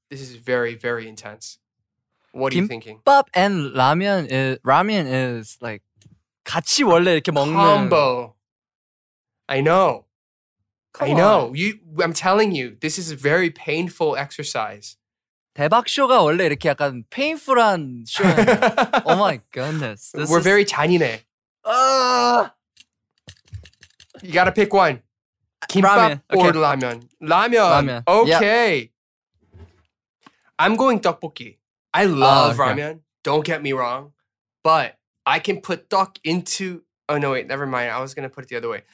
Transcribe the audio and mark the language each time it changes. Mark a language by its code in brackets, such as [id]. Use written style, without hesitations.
[en] This is very, very intense. What are you thinking? Kimbap and ramen is like [ko] 같이 원래 이렇게 먹는 [en] combo. I know. Come on. I'm telling you, this is a very painful exercise. [ko] 대박쇼가 원래 이렇게 약간 [en] painful [ko] 한 쇼예요. [en] Oh my goodness. We're very [ko] 잔인해. [en] You got to pick one. Kimbap or 라면. 라면. Okay. Yep. I'm going 떡볶이. I love ramen. Don't get me wrong. But I can put 떡 into… Oh no, wait. Never mind. I was going to put it the other way.